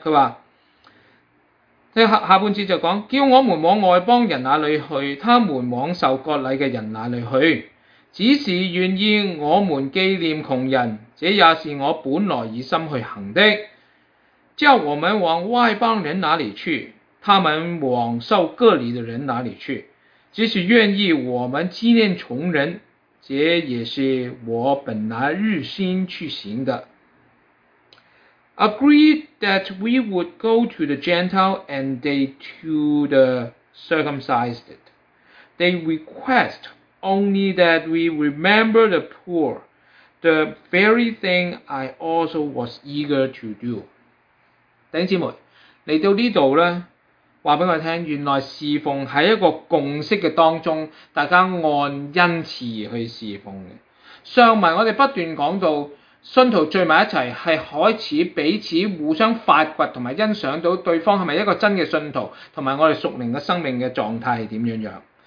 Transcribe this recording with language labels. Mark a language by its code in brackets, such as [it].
[zh] 他说下半节就讲，叫我们往外邦人那里去，他们往受割礼的人那里去，只是愿意我们纪念穷人，这也是我本来以心去行的。叫我们往外邦人那里去，他们往受割礼的人那里去，只是愿意我们纪念穷人，这也是我本来日心去行的。 [en] Agreed that we would go to the Gentile and they to the circumcised. They request only that we remember the poor, the very thing I also was eager to do. [zh] 弟兄姊妹，来到这里告诉我们，原来侍奉在一个共识的当中，大家按恩赐而去侍奉的。上文我们不断讲到信徒聚在一起是开始彼此互相发掘和欣赏到对方是不是一个真的信徒，以及我们属灵的生命的状态是怎样。